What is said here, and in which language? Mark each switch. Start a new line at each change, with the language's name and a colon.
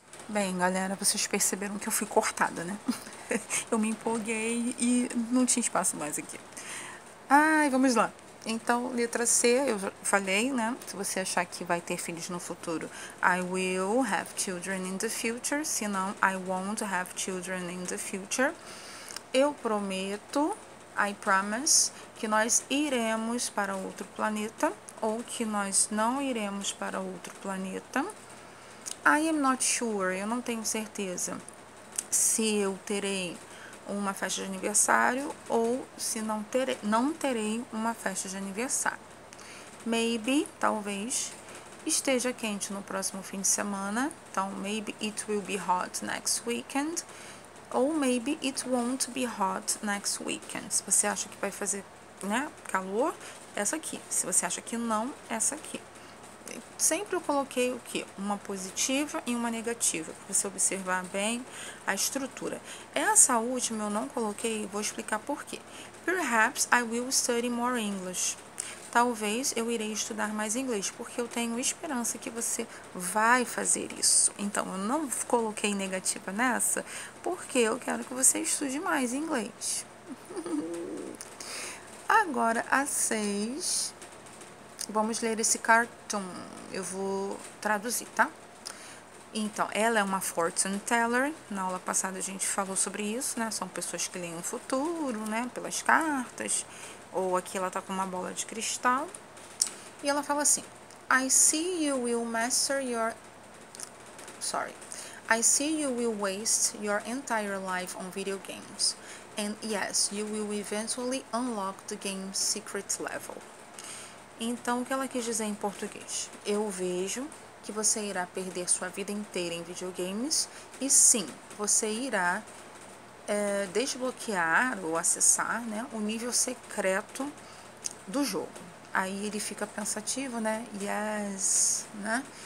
Portuguese: Bem, galera, vocês perceberam que eu fui cortada, né? Eu me empolguei e não tinha espaço mais aqui. Ai, vamos lá. Então, letra C, eu falei, né? Se você achar que vai ter filhos no futuro,
English: I will have children in the future.
Portuguese: Se não,
English: I won't have children in the future.
Portuguese: Eu prometo,
English: I promise,
Portuguese: que nós iremos para outro planeta ou que nós não iremos para outro planeta.
English: I am not sure,
Portuguese: eu não tenho certeza se eu terei uma festa de aniversário ou se não terei uma festa de aniversário.
English: Maybe,
Portuguese: talvez, esteja quente no próximo fim de semana. Então,
English: maybe it will be hot next weekend.
Portuguese: Ou
English: maybe it won't be hot next weekend.
Portuguese: Se você acha que vai fazer, né, calor, essa aqui. Se você acha que não, essa aqui. Sempre eu coloquei o quê? Uma positiva e uma negativa, para você observar bem a estrutura. Essa última eu não coloquei, vou explicar por quê.
English: Perhaps I will study more English.
Portuguese: Talvez eu irei estudar mais inglês, porque eu tenho esperança que você vai fazer isso. Então, eu não coloquei negativa nessa, porque eu quero que você estude mais inglês. Agora, a 6. Vamos ler esse cartoon. Eu vou traduzir, tá? Então, ela é uma fortune teller. Na aula passada a gente falou sobre isso, né? São pessoas que leem o futuro, né? Pelas cartas. Ou aqui ela tá com uma bola de cristal. E ela fala assim:
English: I see you will master your. Sorry. I see you will waste your entire life on video games. And yes, you will eventually unlock the game's secret level.
Portuguese: Então, o que ela quis dizer em português? Eu vejo que você irá perder sua vida inteira em videogames e sim, você irá desbloquear ou acessar, né, o nível secreto do jogo. Aí ele fica pensativo, né? Yes, né?